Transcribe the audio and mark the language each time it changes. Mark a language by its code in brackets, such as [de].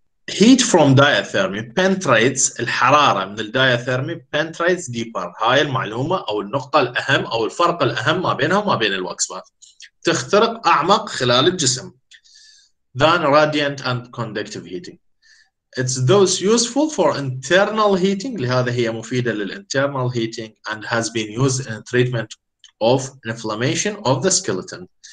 [en] heat from diathermy penetrates، [ar] الحرارة من الدايثيرمي [en] penetrates deeper. [ar] هاي المعلومة أو النقطة الأهم أو الفرق الأهم ما بينها وما بين الواكس باث، تخترق أعمق خلال الجسم. [en] than radiant and conductive heating. It's thus useful for internal heating. [ar] لهذا هي مفيدة [en] للinternal heating and has been used in treatment of inflammation of the skeleton.